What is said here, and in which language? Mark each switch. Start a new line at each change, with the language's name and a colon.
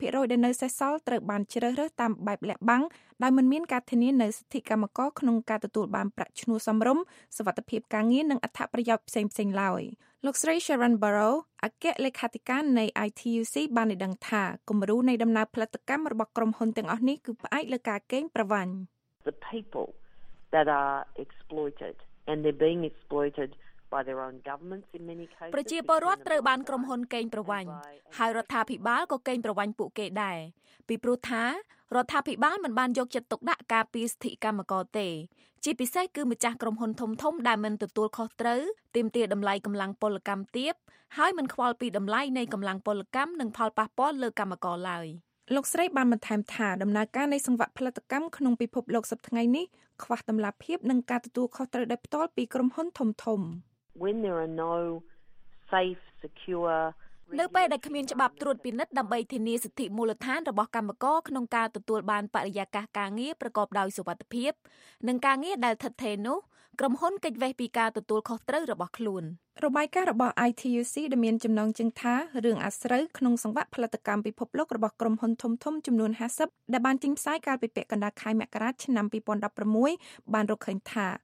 Khmer: ដែលនៅសេសសល់ត្រូវបានជ្រើសរើសតាមបែបលាក់បាំងដោយមិនមានការធានានៅសិទ្ធិកម្មករក្នុងការទទួលបានប្រាក់ឈ្នួលសមរម្យសវត្ថិភាពការងារនិងអត្ថប្រយោជន៍ផ្សេងៗឡើយលោកស្រី Sharon Barrow អគ្គលេខាធិការនៃ ITUC បានឲ្យដឹងថាគំរូនៃដំណើរផលិតកម្មរបស់ក្រុមហ៊ុនទាំងអស់នេះគឺផ្អែកលើការកេងប្រវ័ញ្ច
English: The people that are exploited and they're being exploited by their own governments in many cases
Khmer: ប្រជាពលរដ្ឋត្រូវបានក្រុមហ៊ុនកេងប្រវ័ញ្ចហើយរដ្ឋាភិបាលក៏កេងប្រវ័ញ្ចពួកគេដែរពីព្រោះថារដ្ឋាភិបាលមិនបានយកចិត្តទុកដាក់ការពារសិទ្ធិកម្មករទេជាពិសេសគឺម្ចាស់ក្រុមហ៊ុនធំៗដែលមិនទទួលខុសត្រូវទាមទារតម្លៃកម្លាំងពលកម្មទាបហើយមិនខ្វល់ពីតម្លៃនៃកម្លាំងពលកម្មនិងផលប៉ះពាល់លើកម្មករឡើយ លោកស្រីបានបន្ថែមថាដំណើរការនៃសង្វាក់ផលិតកម្មក្នុងពិភពលោកសប្តាហ៍នេះខ្វះតម្លាភាពនិងការទទួលខុសត្រូវដោយផ្ទាល់ពីក្រុមហ៊ុនធំៗ
English: When there are no safe secure
Khmer: នៅពេលដែលគ្មានច្បាប់ត្រួតពិនិត្យដើម្បីធានាសិទ្ធិមូលដ្ឋានរបស់កម្មករក្នុងការទទួលបានបរិយាកាសការងារប្រកបដោយសុវត្ថិភាពនិងការងារដែលឋិតថេរនោះក្រុមហ៊ុនគេចវេះពីការទទួលខុសត្រូវរបស់ខ្លួន របាយការណ៍របស់ ITUC ដែលមានចំណងជើងថារឿងអាស្រូវក្នុងសង្វាក់ផលិតកម្មពិភពលោករបស់ក្រុមហ៊ុនធំៗចំនួន50ដែលបានចេញផ្សាយកាលពីពាក់កណ្ដាលខែមករាឆ្នាំ2016បានរកឃើញថា